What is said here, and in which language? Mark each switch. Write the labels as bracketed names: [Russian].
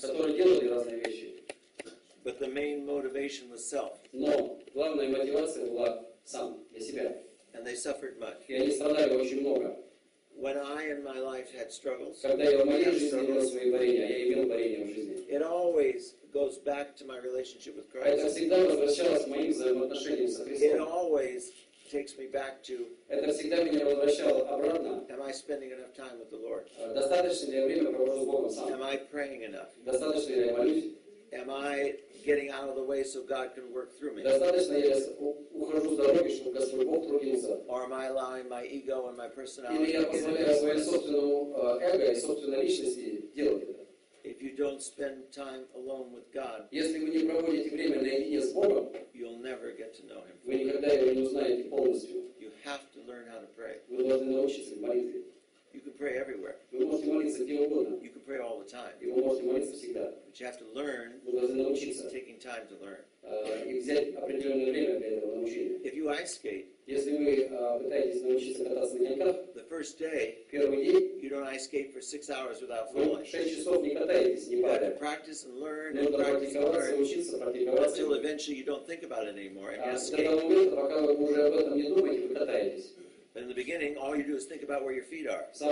[Russian] которые делали разные вещи, [English] but the main motivation was self. [Russian] Но главная мотивация была сам, для себя. [English] And they suffered much. [Russian] И они страдали очень много. [English] When I in my life had struggles, [Russian] когда я в моей жизни имел свои борения, я имел борения в жизни, [English] it always goes back to my relationship with Christ. [Russian] Это всегда возвращалось к моим взаимоотношениям со Христом. [English] It always takes me back to, [Russian] это всегда меня возвращало обратно. [English] Am I spending enough time with the Lord? [Russian] Достаточно ли я время провожу с Богом сам? [English] Am I praying enough? [Russian] Достаточно ли я молюсь? [English] Am I getting out of the way so God can work through me? [Russian] Достаточно ли я ухожу с дороги, чтобы Господь Бог трудился? [English] Or am I allowing my ego and my personality? [Russian] Или я позволяю своему собственному эго и собственной личности делать это? [English] If you don't spend time alone with God, [Russian] если вы не проводите время наедине с Богом, [English] you'll never get to know Him. [Russian] Вы никогда Его не узнаете полностью. [English] You have to learn how to pray. [Russian] Вы должны научиться молитве. [English] You can pray everywhere. [Russian] Вы можете молиться где угодно. [English] You can pray all the time. [Russian] И вы можете молиться всегда. [English] But you have to learn. [Russian] Вы должны научиться. [English] Taking time to learn. [Russian] И взять определенное время для этого научения. [English] If you ice skate, [Russian] если вы пытаетесь научиться кататься на коньках, [English] the first day, [Russian] первый день, [English] you don't ice skate for 6 hours without falling. [Russian] 6 часов не катаетесь, не падая. [English] You have to practice and learn. [Russian] Нужно практиковаться, учиться, практиковаться. [English] Until eventually you don't think about it anymore. [Russian] До того момента, пока вы уже об этом не думаете, вы катаетесь. [English] In the beginning, all you do is think about where your feet are.